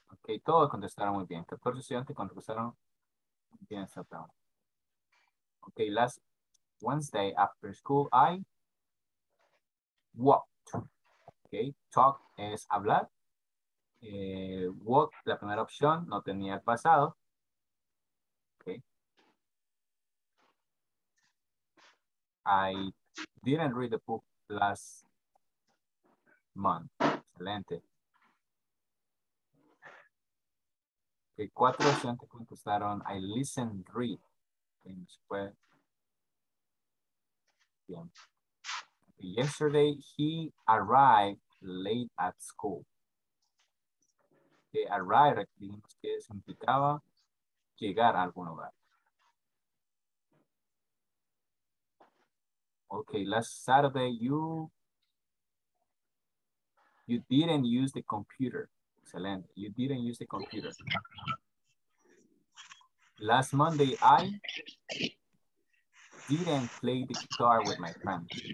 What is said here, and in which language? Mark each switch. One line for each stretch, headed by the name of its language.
Spanish: Okay, todos contestaron muy bien. 14 estudiantes contestaron muy bien esta pregunta.
English: Okay, last Wednesday after school, I walked.
Spanish: Okay, talk es hablar. Walk, la primera opción, no tenía el pasado.
English: Okay. I didn't read the book last month.
Spanish: Excelente. Okay, 4 estudiantes contestaron,
English: I listened, read.
Spanish: Okay, no se puede.
English: Bien. Okay, yesterday, he arrived late at school.
Spanish: Okay, arrived, dijimos que significaba llegar a algún hogar.
English: Okay, last Saturday, you didn't use the computer. Excellent. You didn't use the computer. Last Monday, I didn't play the guitar with my friend.